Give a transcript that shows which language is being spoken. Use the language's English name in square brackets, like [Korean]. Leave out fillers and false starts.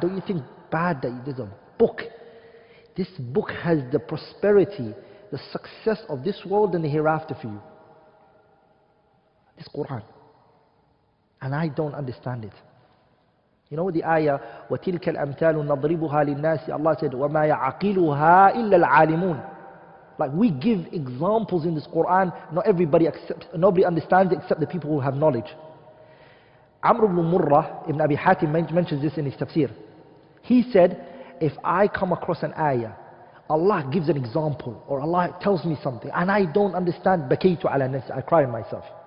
[English] Don't you think bad that there's a book? This book has the prosperity, the success of this world and the hereafter for you. This Quran. And I don't understand it. You know the ayah, [Arabic] وَتِلْكَ الْأَمْثَالُ نَضْرِبُهَا لِلنَّاسِ. [English] Allah said, [Arabic] وَمَا يَعَقِلُهَا إِلَّا الْعَالِمُونَ. [English] Like we give examples in this Quran, not everybody accepts, nobody understands it except the people who have knowledge. Amr ibn Murrah, Ibn Abi Hatim mentions this in his tafsir. He said, if I come across an ayah, Allah gives an example, or Allah tells me something, and I don't understand, [Arabic] بَكَيْتُ عَلَى النَّاسِ, [English] I cry on myself.